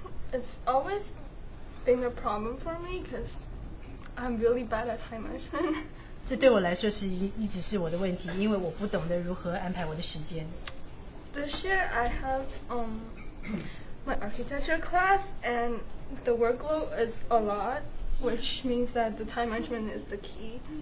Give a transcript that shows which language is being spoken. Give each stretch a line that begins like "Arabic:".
English: It's always been a problem for me because I'm really bad at time management.
Chinese: 这对我来说是一直是我的问题，因为我不懂得如何安排我的时间。
English: This year I have my architecture class, and the workload is a lot, which means that the time management is the key.